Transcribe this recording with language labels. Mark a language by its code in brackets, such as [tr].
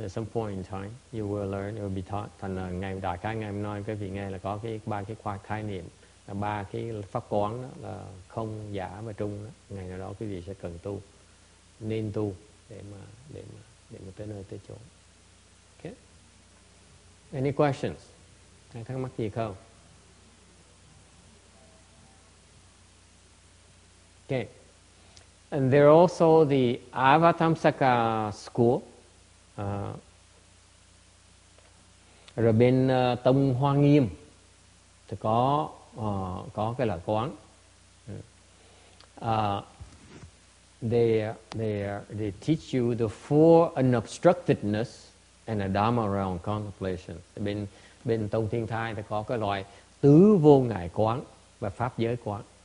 [en] At some point in time, you will learn, you will be taught. [vi] Thành ngày đại ca ngày hôm nay, quý vị nghe là có cái ba cái khoa khái niệm, là ba cái pháp quán đó là không, giả và trung. Ngày nào đó quý vị sẽ cần tu, nên tu để mà tới nơi tới chỗ. [en] Okay. Any questions? [vi] Hay thắc mắc gì không? [en] Okay. And there are also the Avatamsaka school. [vi] Rồi bên Tông Hoa Nghiêm thì có cái loại quán. [en] They teach you the four unobstructedness and a Dharma realm contemplation. [vi] Bên Tông Thiên Thai thì có cái loại tứ vô ngại quán và pháp giới quán.